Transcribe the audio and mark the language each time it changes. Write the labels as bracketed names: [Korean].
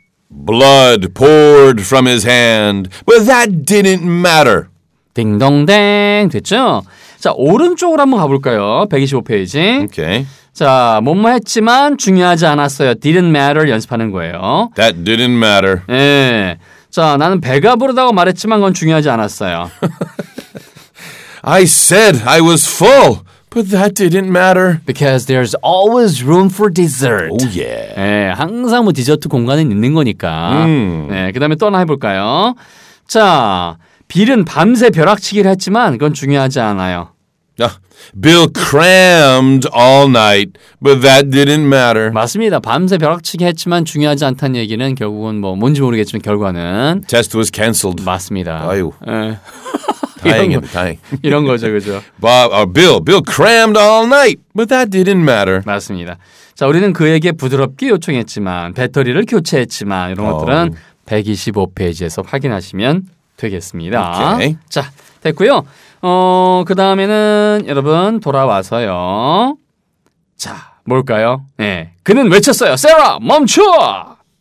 [English] 블러드 poured from his hand, but that didn't matter. [Korean] 딩동댕 됐죠? 자, 오른쪽으로 한번 가볼까요? 125페이지. 오케이. 자, 뭐뭐 했지만 중요하지 않았어요. [English] Didn't matter [Korean] 연습하는 거예요. [English] That didn't matter. [Korean] 예. 네. 자, 나는 배가 부르다고 말했지만 그건 중요하지 않았어요. [English] I said I was full, but that didn't matter. Because there's always room for dessert. Oh, yeah. [Korean] 예, 네, 항상 뭐 디저트 공간은 있는 거니까. 예, 네, 그 다음에 또 하나 해볼까요? 자, 빌은 밤새 벼락치기를 했지만 그건 중요하지 않아요. [English] Bill crammed all night, but that didn't matter. [Korean] 맞습니다. 밤새 벼락치기 했지만 중요하지 않다는 얘기는 결국은 뭐 뭔지 모르겠지만 결과는 [English] Test was canceled. [Korean] 맞습니다. 아유. 다행입니다. 다행. 이런 거죠, 그죠? [English] Bill crammed all night, but that didn't matter. [Korean] 맞습니다. 자, 우리는 그에게 부드럽게 요청했지만 배터리를 교체했지만 이런 것들은 125페이지에서 확인하시면 되겠습니다. [English] Okay. [Korean] 자, 됐고요. 그 다음에는 여러분 돌아와서요. 자, 뭘까요? 네, 그는 외쳤어요. Sarah, 멈춰!